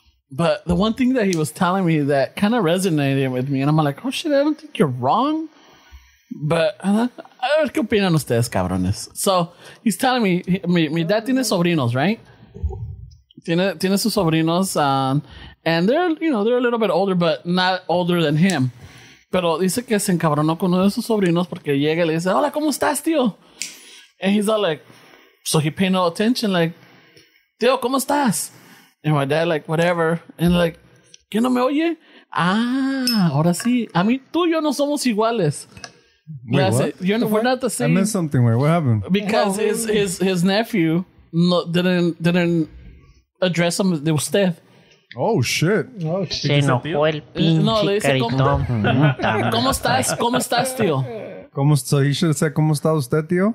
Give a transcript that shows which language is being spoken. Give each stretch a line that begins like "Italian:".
English: But the one thing that he was telling me that kind of resonated with me, and I'm like, oh shit, I don't think you're wrong.
Spanish: But, a ver qué opinan ustedes, cabrones.
English: So, he's telling me,
Spanish: mi dad tiene sobrinos, right? Tiene sus sobrinos,
English: and they're, you know, they're a little bit older, but not older than him.
Spanish: Pero dice que se encabronó con uno de sus sobrinos porque llega y le dice, hola, ¿cómo estás, tío?
English: And he's all like, so he paid no attention, like,
Spanish: tío, ¿cómo estás?
English: And my dad, like, whatever. And like,
Spanish: ¿qué no me oye? Ah, ahora sí. A mí, tú y yo no somos iguales.
English: Wait, yeah, what? So we're not the same. I missed something. Where? What happened? Because his nephew didn't address him
Spanish: de usted.
English: Oh shit!
Spanish: Se enojó el pinche carito. ¿Cómo estás? ¿Cómo estás, tío? ¿Cómo está?
English: He should have said
Spanish: ¿Cómo está usted, tío?